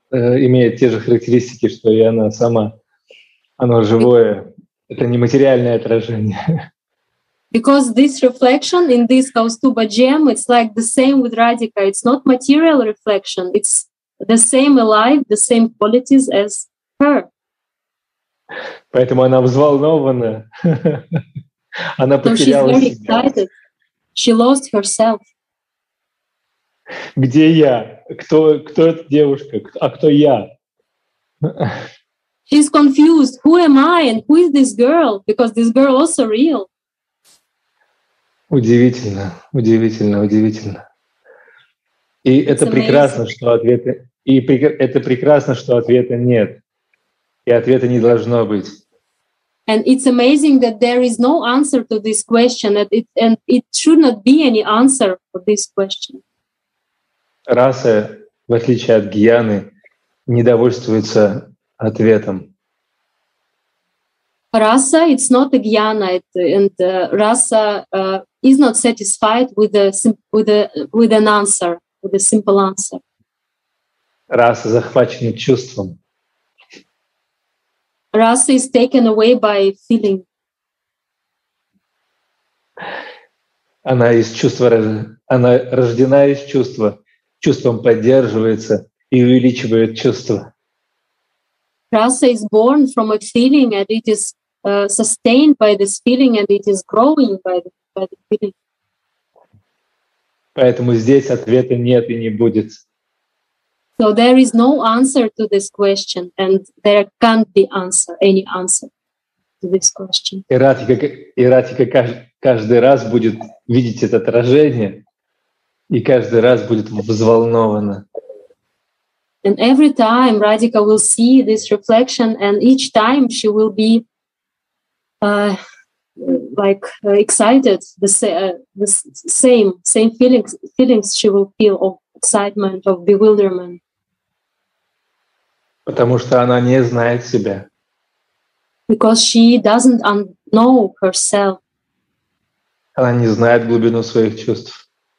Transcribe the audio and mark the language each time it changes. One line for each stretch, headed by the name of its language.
Russian: имеет те же характеристики, что и она сама. Оно живое. Это не материальное отражение.
English: Because this reflection in this Kaustubha gem, it's like the same with Radhika. It's not material reflection. It's the same alive, the same qualities as her.
Russian: Поэтому она взволнована. Она потеряла себя.
English: She lost herself.
Russian: Где я? Кто эта девушка? А кто я?
English: She's confused. Who am I and who is this girl? Because this girl also real.
Russian: Удивительно, удивительно, удивительно. И это прекрасно, что ответа. И это прекрасно, что ответа нет. И ответа не должно быть.
English: And it's amazing that there is no answer to this question, that it and it should not be any answer for this question.
Russian: Раса, в отличие от гьяны, не довольствуется ответом.
English: Раса, it's not a gyana, and Раса is not satisfied with a with an answer, with a simple answer.
Russian: Раса захвачена чувством.
English: Rasa is taken away by feeling.
Russian: Она из чувства, она рождена из чувства, чувством поддерживается и увеличивает чувство.
English: Rasa is born from a feeling and it is sustained by this feeling and it is growing by the feeling.
Russian: Поэтому здесь ответа нет и не будет.
English: So there is no answer to this question, and there can't be answer, any answer to this question.
Russian: Эратика каждый раз будет видеть это отражение, и каждый раз будет взволнована.
English: And every time Radhika will see this reflection, and each time she will be excited, the same feelings she will feel of excitement, of bewilderment.
Russian: Потому что она не знает себя.
English: Because she doesn't know herself.
Russian: Она не знает глубину своих чувств.